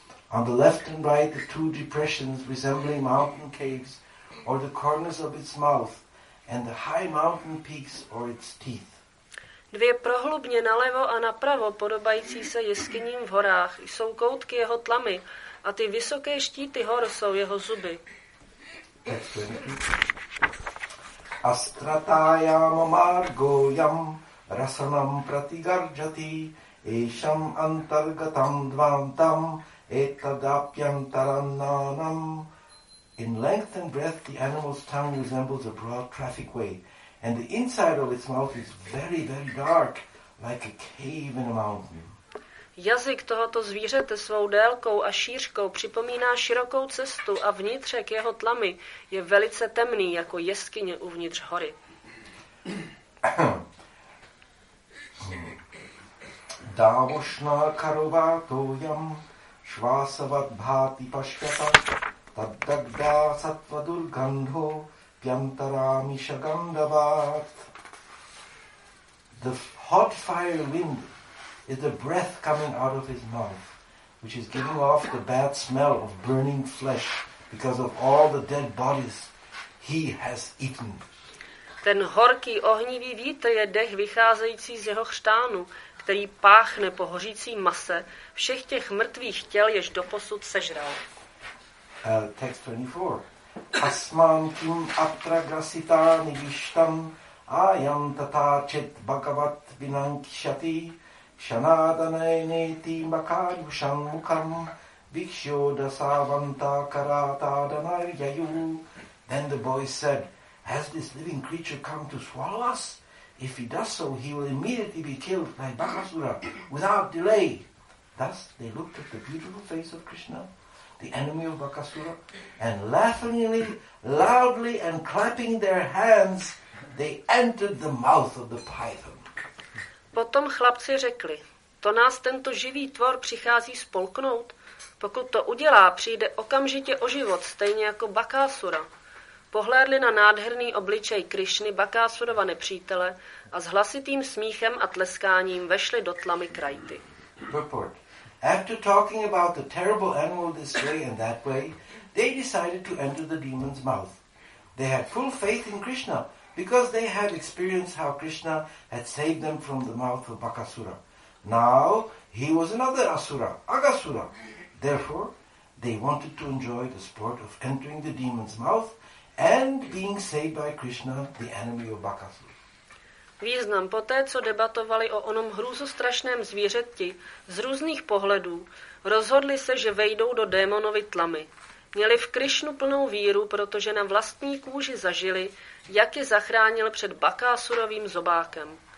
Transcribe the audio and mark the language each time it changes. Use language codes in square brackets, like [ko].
[en] On the left and right, the two depressions resembling mountain caves or the corners of its mouth and the high mountain peaks or its teeth. [cs] Dvě prohlubně nalevo a napravo, podobající se jeskyním v horách, jsou koutky jeho tlamy a ty vysoké štíty hor jsou jeho zuby. [sa] Astratayam margoyam rasanam pratigarjati esham antargatam dvantam etadapyantarannanam. [en] In length and breadth, the animal's tongue resembles a broad traffic way, and the inside of its mouth is very, very dark, like a cave in a mountain. [cs] Jazyk tohoto zvířete svou délkou a šířkou připomíná širokou cestu a vnitřek jeho tlamy je velice temný jako jeskyně uvnitř hory. [sa] Dávošná karovátou jam švásavat bháty pašvata tadadá satvadur gandho pjantarámi šagandavát. [en] The hot fire wind is the breath coming out of his mouth, which is giving off the bad smell of burning flesh because of all the dead bodies he has eaten. [cs] Ten horký ohnivý vítr je dech vycházející z jeho chřtánu, který páchne po hořící mase všech těch mrtvých těl, jež doposud sežral. [en] Text 24. [sa] Asmán kým atra grasitáni vištam ájam tatáčet bhagavat vinankšatý Shanadanayneti makayushan mukam vikshyodasavanta karatadanaryayu. [en] Then the boy said, has this living creature come to swallow us? If he does so, he will immediately be killed by Bakasura without delay. Thus they looked at the beautiful face of Krishna, the enemy of Bakasura, and laughingly, loudly and clapping their hands, they entered the mouth of the python. [cs] Potom chlapci řekli, to nás tento živý tvor přichází spolknout? Pokud to udělá, přijde okamžitě o život, stejně jako Bakásura. Pohlédli na nádherný obličej Krišny, Bakásurova nepřítele, a s hlasitým smíchem a tleskáním vešli do tlamy Krajty. [en] Report. After talking about the terrible animal this way and that way, they decided to enter the demon's mouth. They had full faith in Krishna, because they had experienced how Krishna had saved them from the mouth of Bakasura. Now, he was another asura, Agasura. Therefore, they wanted to enjoy the sport of entering the demon's mouth and being saved by Krishna, the enemy of Bakasura. [cs] Význam poté, co debatovali o onom hrůzostrašném zvířeti z různých pohledů, rozhodli se, že vejdou do démonovy tlamy. Měli v Krišnu plnou víru, protože na vlastní kůži zažili, jak je zachránil před Bakásurovým zobákem.